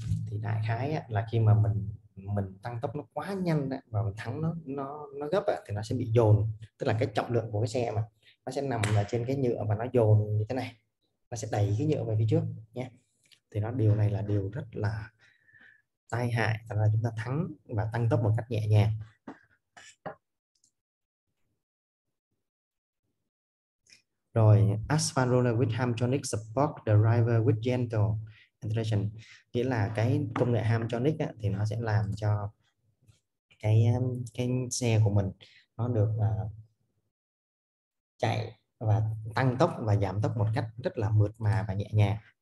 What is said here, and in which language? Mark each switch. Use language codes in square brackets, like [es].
[vi] Thì đại khái là khi mà mình tăng tốc nó quá nhanh và mình thắng nó gấp thì nó sẽ bị dồn, tức là cái trọng lượng của cái xe mà nó sẽ nằm là trên cái nhựa và nó dồn như thế này, nó sẽ đẩy cái nhựa về phía trước nhé. Thì nó điều này là điều rất là tai hại, thành ra chúng ta thắng và tăng tốc một cách nhẹ nhàng. Rồi, [en] Asphalt roller with Hamtronic support the driver with gentle acceleration. [vi] Nghĩa là cái công nghệ Hamtronic á, thì nó sẽ làm cho cái xe của mình nó được chạy và tăng tốc và giảm tốc một cách rất là mượt mà và nhẹ nhàng.